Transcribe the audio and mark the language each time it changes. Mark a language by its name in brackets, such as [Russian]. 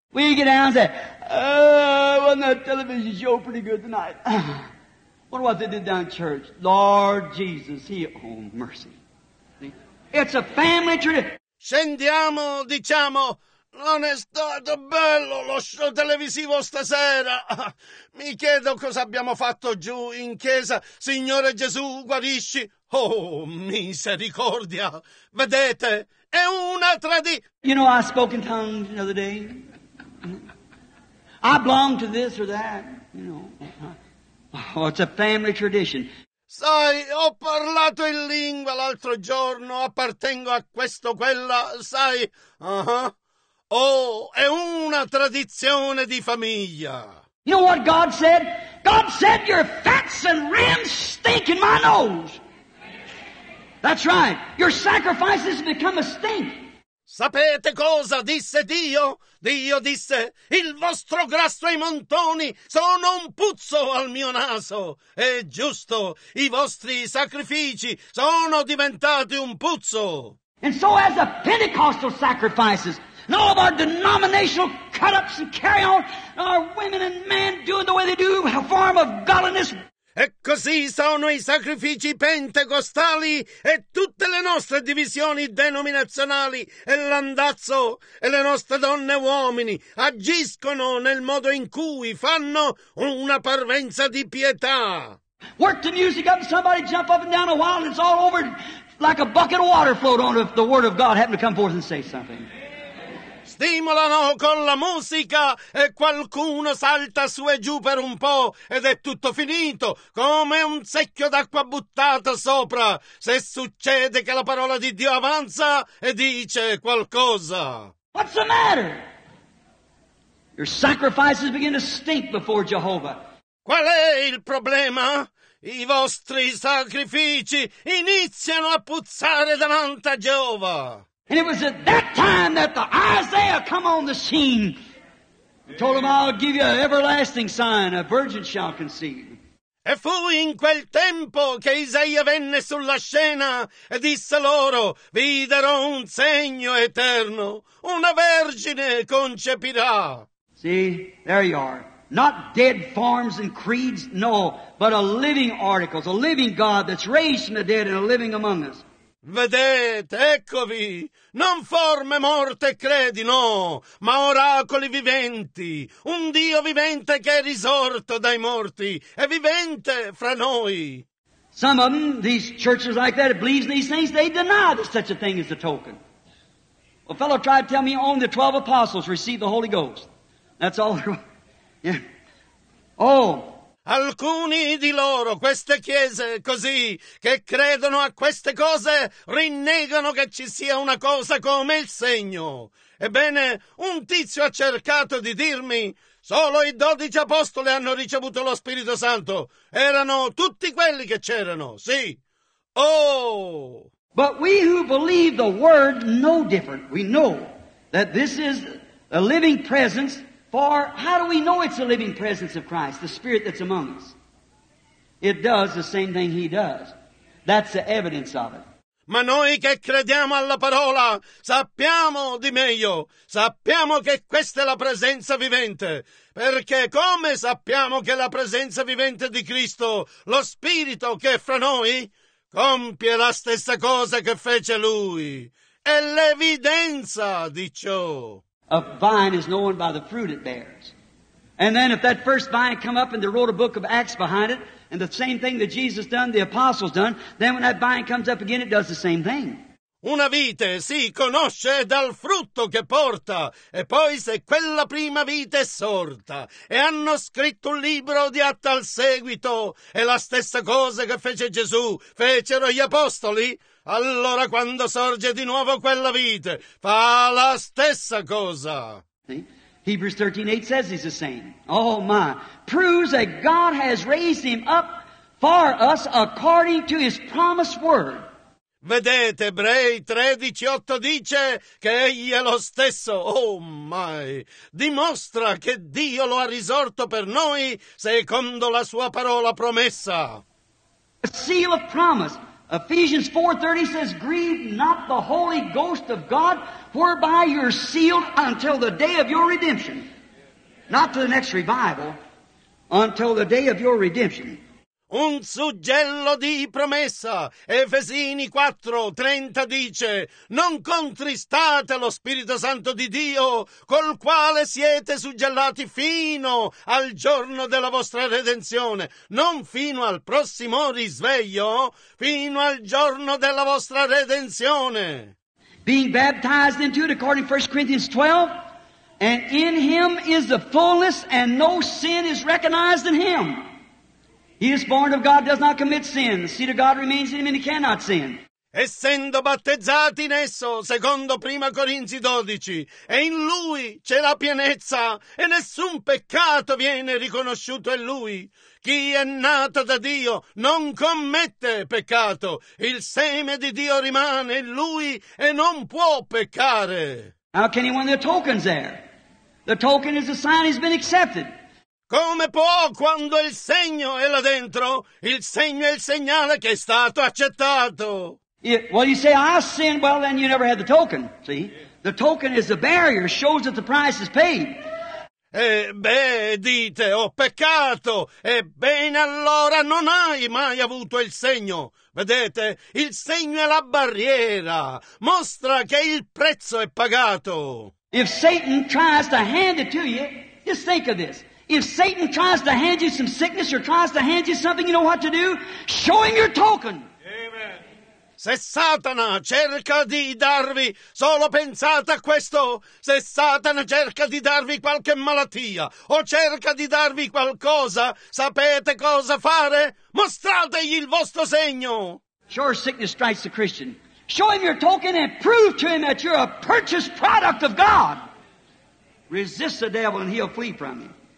[English] We get down and say, oh, wasn't that television show pretty good tonight? Wonder what they did down in church. Lord Jesus, he, oh, mercy. See? It's a family tradition. [Italian] Scendiamo, diciamo, non è stato bello lo show televisivo stasera. Mi chiedo cosa abbiamo fatto giù in chiesa. Signore Gesù, guarisci. Oh, misericordia. Vedete, è una tradizione. [English] You know, I spoke in tongues the other day. I belong to this or that, you know. Oh, it's a family tradition. [Italian] Sai, ho parlato in lingua l'altro giorno, appartengo a questo quella, sai. Oh, è una tradizione di famiglia. [English] You know what God said? God said your fats and rams stink in my nose. That's right. Your sacrifices become a stink. [Italian] Sapete cosa disse Dio? Dio disse, il vostro grasso e i montoni sono un puzzo al mio naso. È giusto, i vostri sacrifici sono diventati un puzzo. [English] And so as the Pentecostal sacrifices, and all of our denominational cut-ups and carry-on, and our women and men doing the way they do, a form of godliness. [Italian] E così sono i sacrifici pentecostali e tutte le nostre divisioni denominazionali e l'andazzo e le nostre donne e uomini agiscono nel modo in cui fanno una parvenza di pietà. [English] Work the music up and somebody jump up and down a while and it's all over like a bucket of water flowed on if the word of God happened to come forth and say something. [Italian] Stimolano con la musica e qualcuno salta su e giù per un po' ed è tutto finito, come un secchio d'acqua buttata sopra, se succede che la parola di Dio avanza e dice qualcosa. [English] What's the matter? Your sacrifices begin to stink before Jehovah. [Italian] Qual è il problema? I vostri sacrifici iniziano a puzzare davanti a Jehovah. [English] And it was at that time that the Isaiah come on the scene and told him, I'll give you an everlasting sign, a virgin shall conceive. [Italian] E fu in quel tempo che Isaia venne sulla scena e disse loro, vi darò un segno eterno, una vergine concepirà. [English] See, there you are. Not dead forms and creeds, no, but a living articles, a living God that's raised from the dead and a living among us. [Italian] Vedete, eccovi, non forme morte, credi, no, ma oracoli viventi, un Dio vivente che è risorto dai morti, è vivente fra noi. [English] Some of them, these churches like that, believes in these things, they deny that such a thing as a token. A fellow tried to tell me only the 12 apostles received the Holy Ghost. That's all. Yeah. Oh. [Italian] Alcuni di loro, queste chiese così, che credono a queste cose, rinnegano che ci sia una cosa come il segno. Ebbene, un tizio ha cercato di dirmi, solo i 12 apostoli hanno ricevuto lo Spirito Santo. Erano tutti quelli che c'erano, sì. Oh! [English] But we who believe the word know different. We know that this is a living presence. For how do we know it's a living presence of Christ, the Spirit that's among us? It does the same thing He does. That's the evidence of it. [Italian] Ma noi che crediamo alla parola sappiamo di meglio. Sappiamo che questa è la presenza vivente. Perché come sappiamo che la presenza vivente di Cristo, lo Spirito che è fra noi, compie la stessa cosa che fece Lui. È l'evidenza di ciò. [English] A vine is known by the fruit it bears. And then if that first vine come up and they wrote a book of Acts behind it, and the same thing that Jesus done, the apostles done, then when that vine comes up again, it does the same thing. [Italian] Una vite si conosce dal frutto che porta, e poi se quella prima vite è sorta, e hanno scritto un libro di atto al seguito, e la stessa cosa che fece Gesù, fecero gli apostoli, allora quando sorge di nuovo quella vite, fa la stessa cosa. [English] Hebrews 13:8 says he's the same. Oh my, proves that God has raised him up for us according to his promised word. [Italian] Vedete, Ebrei 13:8 dice che egli è lo stesso, [English] oh my, [Italian] dimostra che Dio lo ha risorto per noi secondo la sua parola promessa. [English] A seal of promise. Ephesians 4:30 says, grieve not the Holy Ghost of God, whereby you're sealed until the day of your redemption. Not to the next revival, until the day of your redemption. [Italian] Un suggello di promessa, Efesini 4:30 dice, non contristate lo Spirito Santo di Dio, col quale siete suggellati fino al giorno della vostra redenzione, non fino al prossimo risveglio, fino al giorno della vostra redenzione. [English] Being baptized into it according to 1 Corinthians 12, and in him is the fullness, and no sin is recognized in him. He is born of God, does not commit sin. The seed of God remains in him and he cannot sin. [Italian] Essendo battezzati in esso, secondo 1 Corinzi 12, e in lui c'è la pienezza e nessun peccato viene riconosciuto in lui. Chi è nato da Dio non commette peccato. Il seme di Dio rimane in lui e non può peccare. [English] How can anyone, the token's there. The token is a sign he's been accepted. [Italian] Come può, quando il segno è là dentro, il segno è il segnale che è stato accettato? [English] Well, you say, I sin, well, then you never had the token, see? Yeah. The token is the barrier, shows that the price is paid. [Italian] Beh, dite, ho peccato, ebbene allora non hai mai avuto il segno. Vedete, il segno è la barriera, mostra che il prezzo è pagato. [English] If Satan tries to hand it to you, just think of this. If Satan tries to hand you some sickness or tries to hand you something, you know what to do? Show him your token. [Italian] Se Satana cerca di darvi, solo pensate a questo, se Satana cerca di darvi qualche malattia o cerca di darvi qualcosa, sapete cosa fare? Mostrategli il vostro segno. [English] Sure, sickness strikes the Christian. Show him your token and prove to him that you're a purchased product of God. Resist the devil and he'll flee from you.